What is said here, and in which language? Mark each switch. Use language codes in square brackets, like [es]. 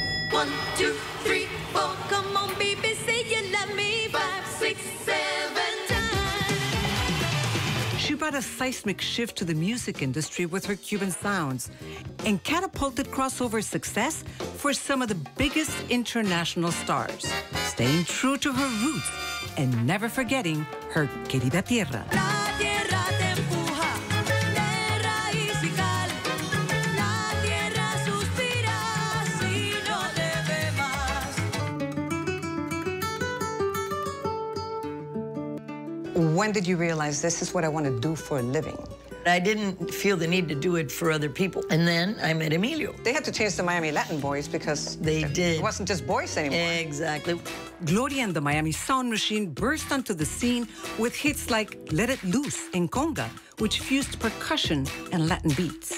[en] One, two, three, four, come on, baby, say you love me, five, six, seven times. She brought a seismic shift to the music industry with her Cuban sounds and catapulted crossover success for some of the biggest international stars, staying true to her roots and never forgetting her [es] querida tierra. La tierra te empuja, de raíz y cal. La tierra suspira si no te ve más. [en] When did you realize this is what I want to do for a living? I didn't feel the need to do it for other people. And then I met Emilio. They had to change the Miami Latin voice because they did. It wasn't just voice anymore. Exactly. Gloria and the Miami Sound Machine burst onto the scene with hits like Let It Loose and Conga, which fused percussion and Latin beats.